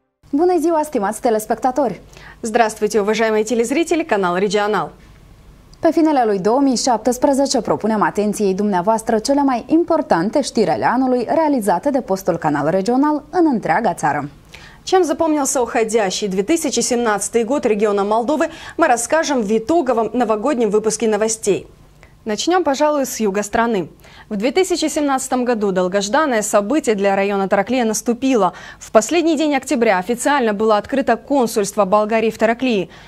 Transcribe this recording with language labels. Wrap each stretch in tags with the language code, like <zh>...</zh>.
<ro>Bună ziua, stimați telespectatori!</ro> <ru>Здравствуйте, уважаемые телезрители, канал Регионал!</ru> <ro>Pe finele lui 2017 propunem atenției dumneavoastră cele mai importante știri ale anului realizate de postul Canal Regional în întreaga țară.</ro> <ru>Чем запомнился уходящий 2017 год региона Молдовы, мы расскажем в итоговом новогоднем выпуске новостей. Начнем, пожалуй, с юга страны. В 2017 году долгожданное событие для района Тараклия наступило. В последний день октября официально было открыто консульство Болгарии в Тараклии.</ru>